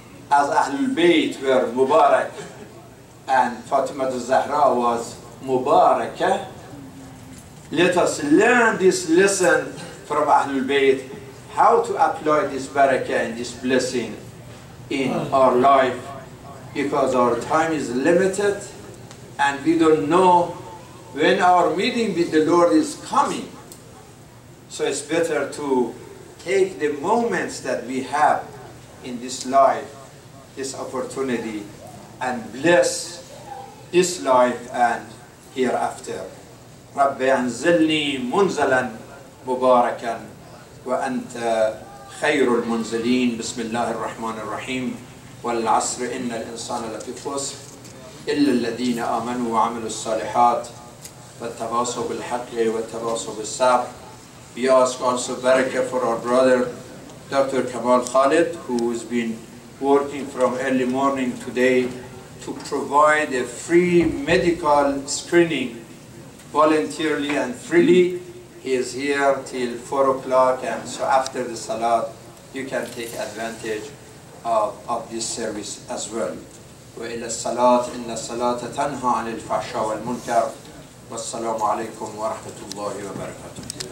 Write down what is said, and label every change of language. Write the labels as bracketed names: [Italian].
[English] As Ahlul Bayt were Mubarak and Fatima al-Zahra was Mubarakah, let us learn this lesson from Ahlul Bayt, how to apply this barakah and this blessing in our life, because our time is limited and we don't know when our meeting with the Lord is coming. So it's better to take the moments that we have in this life, this opportunity, and bless this life and hereafter. [Arabic] رَبِّ أَنزِلْنِي مُنزَلًا مُبَارَكًا وَأَنْتَ خَيْرُ الْمُنزِلِينَ بِسْمِ اللَّهِ الرَّحْمَنِ الرَّحِيمِ والعصر إن الإنسان لفي خسر إلا الذين آمنوا وعملوا الصالحات والتواصوا بالحق والتواصوا بالصبر. [English] We ask also barakah for our brother Dr. Kamal Khalid, who has been working from early morning today to provide a free medical screening voluntarily and freely. He is here till 4 o'clock, and so after the salat you can take advantage of this service as well. [Arabic] وإلى الصلاة إن الصلاة تنهى عن الفحشاء والمنكر والسلام عليكم ورحمة الله وبركاته.